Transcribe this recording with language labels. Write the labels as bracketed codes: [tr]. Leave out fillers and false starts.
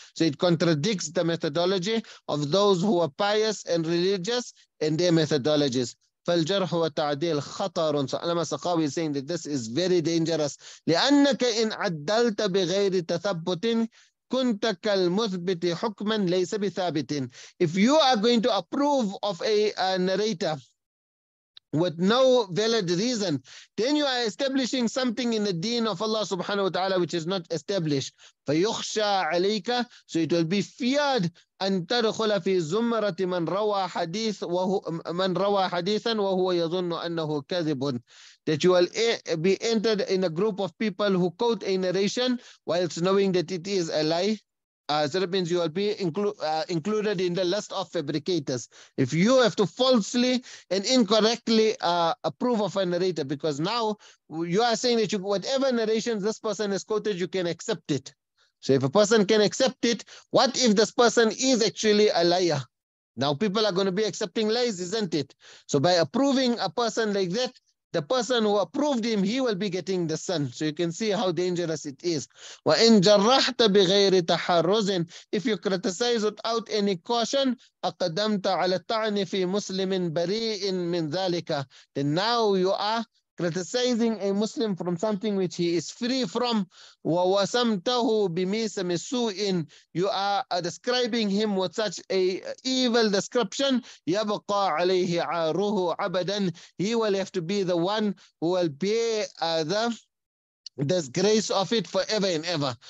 [en] So it contradicts the methodology of those who are pious and religious and their methodologies. [ar] فالجرح والتعديل خطر. [en] So Alama Sakhawi is saying that this is very dangerous. [ar] لأنك إن عدلت بغير تثبت كنت كالمثبت حكما ليس بثابت. [en] If you are going to approve of a narrator with no valid reason, then you are establishing something in the deen of Allah subhanahu wa ta'ala which is not established. [ar] فيخشى عليك. [en] So it will be feared [ar] أن تدخل في زمرة من روى حديث وهو من روى حديثا وهو يظن أنه كذب. [en] That you will be entered in a group of people who quote a narration whilst knowing that it is a lie. So that means you will be included in the list of fabricators. If you have to falsely and incorrectly approve of a narrator, because now you are saying that you, whatever narrations this person has quoted, you can accept it. So if a person can accept it, what if this person is actually a liar? Now people are going to be accepting lies, isn't it? So by approving a person like that, the person who approved him, he will be getting the sun. So you can see how dangerous it is. [ar] وَإِن جَرَّحْتَ بِغَيْرِ تَحَرُّزٍ. [en] If you criticize without any caution, [ar] أَقَدَمْتَ عَلَى التَّعْنِ فِي مُسْلِمٍ بَرِيءٍ مِنْ ذَلِكَ. [en] Then now you are criticizing a Muslim from something which he is free from. [ar] وَوَسَمْتَهُ بِمِيسَمِ سُوءٍ. [en] You are describing him with such a evil description. [ar] يَبْقَى عَلَيْهِ عَارُهُ عَبَدًا. [en] He will have to be the one who will bear the disgrace of it forever and ever.